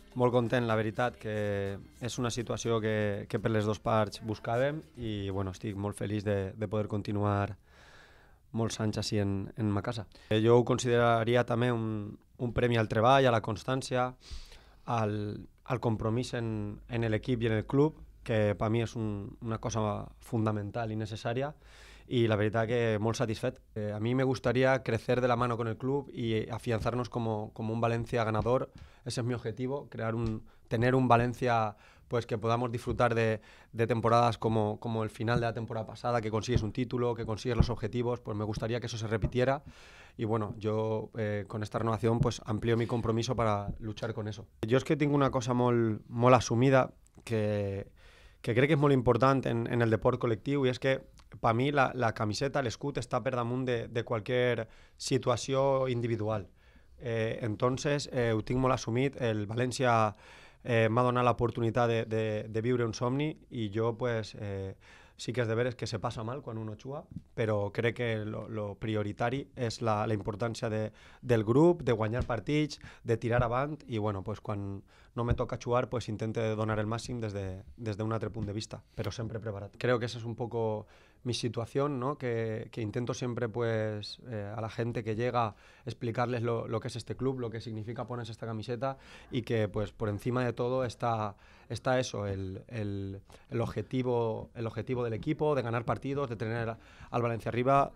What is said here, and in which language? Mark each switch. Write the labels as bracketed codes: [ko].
[ca] molt content, la veritat, que és una situació que per les dues parts buscàvem i bueno, estic molt feliç de poder continuar molts anys així en ma casa. Jo ho consideraria també un premi al treball, a la constància, al compromís en l'equip i en el club, que per mi és una cosa fundamental i necessària, i la veritat que molt satisfet. [es] A mi me gustaría crecer de la mano con el club y afianzarnos como un Valencia ganador. Ese es mi objetivo, tener un Valencia pues que podamos disfrutar de temporadas como el final de la temporada pasada, que consigues un título, que consigues los objetivos, pues me gustaría que eso se repitiera. Y bueno, yo con esta renovación pues amplío mi compromiso para luchar con eso. Yo es que tengo una cosa [ca] mol asumida que crec que és molt important en el deport col·lectiu, i és que per mi la camiseta, l'escut, està per damunt de qualsevol situació individual. Entonces, ho tinc molt assumit. El València m'ha donat l'oportunitat de viure un somni, i jo pues, sí que és de veure que se passa mal quan un no juga, però crec que lo prioritari és la importància del grup, de guanyar partits, de tirar avant, i bueno, pues, quan no me toca jugar, pues intente donar el màxim des d'un altre punt de vista, però sempre preparat. [es] Creo que esa es un poco mi situación, ¿no? que intento siempre pues, a la gente que llega explicarles lo que es este club, lo que significa ponerse esta camiseta, y que pues, por encima de todo está eso, el objetivo del equipo, de ganar partidos, de tener al Valencia arriba.